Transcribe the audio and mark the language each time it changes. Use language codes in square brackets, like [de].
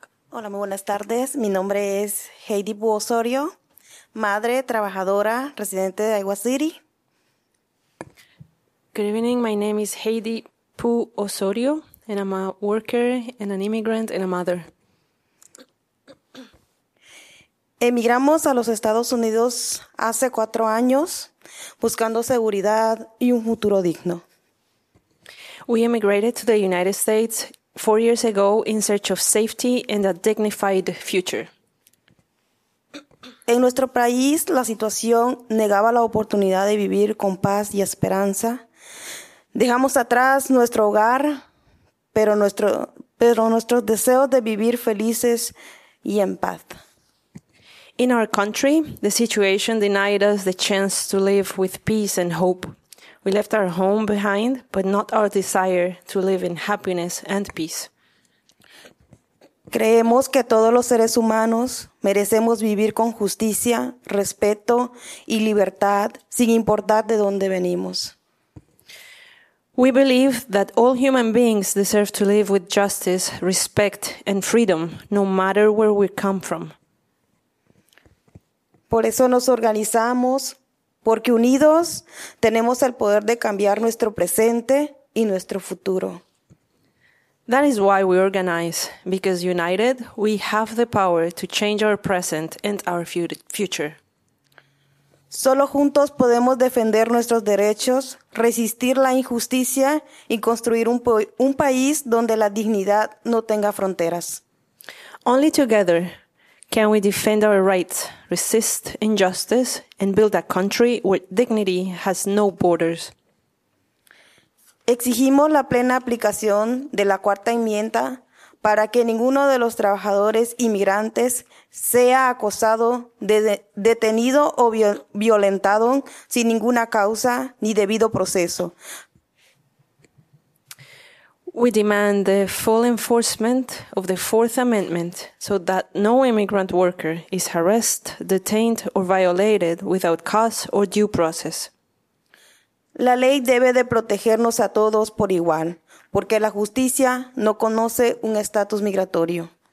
[es] Hola, muy buenas tardes. Mi nombre es Heidi Bu Osorio, madre, trabajadora, residente de Iowa City. [en] Good evening. My name is Heidi Pu Osorio, and I'm a worker and an immigrant and a mother. [es] Emigramos a los Estados Unidos hace 4 años, buscando seguridad y un futuro digno. [en] We emigrated to the United States 4 years ago in search of safety and a dignified future. [es] En nuestro país, la situación negaba la oportunidad de vivir con paz y esperanza. Dejamos atrás nuestro hogar, pero nuestros deseos de vivir felices y en paz. [en] In our country, the situation denied us the chance to live with peace and hope. We left our home behind, but not our desire to live in happiness and peace. [es] Creemos que todos los seres humanos merecemos vivir con justicia, respeto y libertad, sin importar de dónde venimos. [en] We believe that all human beings deserve to live with justice, respect, and freedom, no matter where we come from. [es] Por eso nos organizamos, porque unidos tenemos el poder de cambiar nuestro presente y nuestro futuro. [en] That is why we organize, because united, we have the power to change our present and our future. [es] Solo juntos podemos defender nuestros derechos, resistir la injusticia y construir un país donde la dignidad no tenga fronteras. [en] Only together can we defend our rights, resist injustice, and build a country where dignity has no borders. [es] Exigimos la plena aplicación de la Cuarta Enmienda para que ninguno de los trabajadores inmigrantes sea acosado, detenido o violentado sin ninguna causa ni debido proceso. [en] We demand the full enforcement of the Fourth Amendment so that no immigrant worker is harassed, detained, or violated without cause or due process. [es] La ley debe de protegernos a todos por igual, porque la justicia no conoce un estatus migratorio.